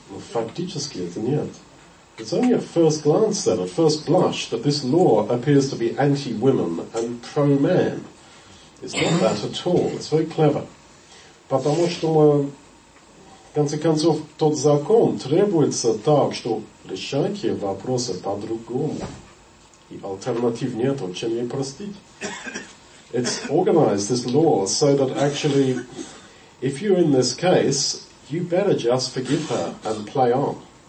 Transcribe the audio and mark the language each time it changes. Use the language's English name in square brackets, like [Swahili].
[Russian] Но фактически это нет. [English] It's only at first glance then, at first blush, that this law appears to be anti-women and pro-man. It's not that at all. It's very clever. [Russian] Потому что мы... В конце концов, тот закон требуется так, что решайте вопросы по-другому. И alternativ нету, чем ей простить. [English] It's organized, this law, so that actually, if you're in this case, you better just forgive her and play on.